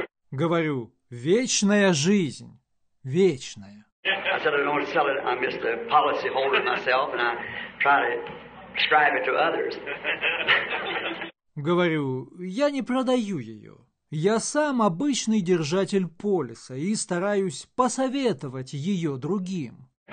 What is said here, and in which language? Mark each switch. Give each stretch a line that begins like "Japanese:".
Russian: Говорю, вечная жизнь, вечная.
English: I said, I don't want to sell it, I'm just a policy holder myself, and I try to prescribe it to others.
Russian: Говорю, я не продаю ее. Я сам обычный держатель полиса и стараюсь посоветовать ее другим.